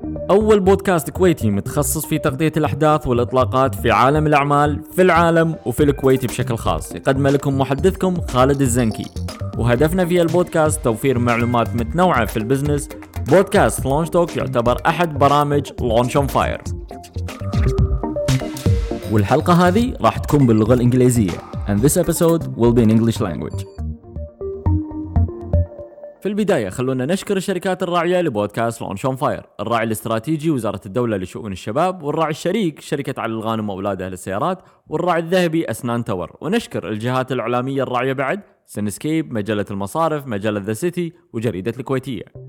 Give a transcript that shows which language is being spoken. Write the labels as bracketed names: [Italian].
[Arabic] أول بودكاست كويتي متخصص في تغطية الأحداث والإطلاقات في عالم الأعمال في العالم وفي الكويت بشكل خاص، يقدم لكم محدثكم خالد الزنكي، وهدفنا في البودكاست توفير معلومات متنوعة في البزنس. بودكاست لونش توك يعتبر أحد برامج لونش أون فاير، والحلقة هذه راح تكون باللغة الإنجليزية. [English] And this episode will be in English language. [Arabic] في البداية خلونا نشكر الشركات الراعية لبودكاست لونش أون فاير، الراعي الاستراتيجي وزارة الدولة لشؤون الشباب، والراعي الشريك شركة علي الغانم وأولاد أهل السيارات، والراعي الذهبي أسنان تور. ونشكر الجهات الإعلامية الراعية بعد سينسكيب، مجلة المصارف، مجلة ذا سيتي، وجريدة الكويتية.